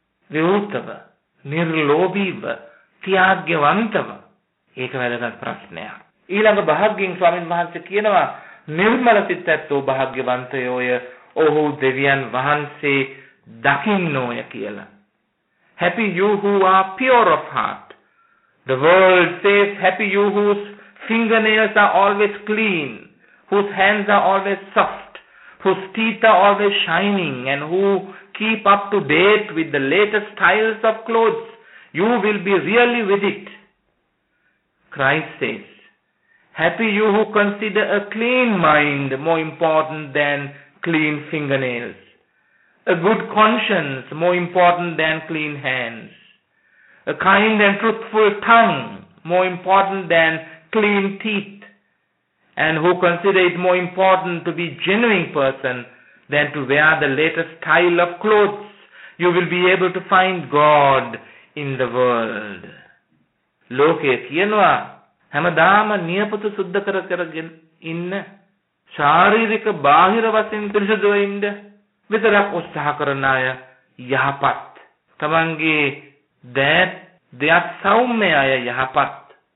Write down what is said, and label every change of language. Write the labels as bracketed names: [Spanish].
[Sinhala] විමුක්තව නිර්ලෝභීව ත්‍යාග්‍යවන්තව ඒක වැදගත් ප්‍රශ්නයක්. ඊළඟ භාග්‍යවන් ස්වාමීන් වහන්සේ කියනවා නිර්මල සිතැත්තෝ භාග්‍යවන්තයෝය ඔහු දෙවියන් වහන්සේ දකින්නෝය කියලා. [English] Happy you who are pure of heart. The world says happy you whose fingernails are always clean, whose hands are always soft, whose teeth are always shining and who keep up to date with the latest styles of clothes. You will be really with it. Christ says, happy you who consider a clean mind more important than clean fingernails, a good conscience more important than clean hands, a kind and truthful tongue more important than clean teeth, and who consider it more important to be a genuine person than to wear the latest style of clothes. You will be able to find God in the world. [Sinhala] Loke kiyenwa. හැමදාම නියපොතු සුද්ධ කර කරගෙන ඉන්න ශාරීරික බාහිර වශයෙන් පිරිසුදුව ඉන්න විතරක් උත්සාහ කරන අය යහපත්. තමන්ගේ දෑත් දෙයක් සෞම්‍ය අය යහපත්.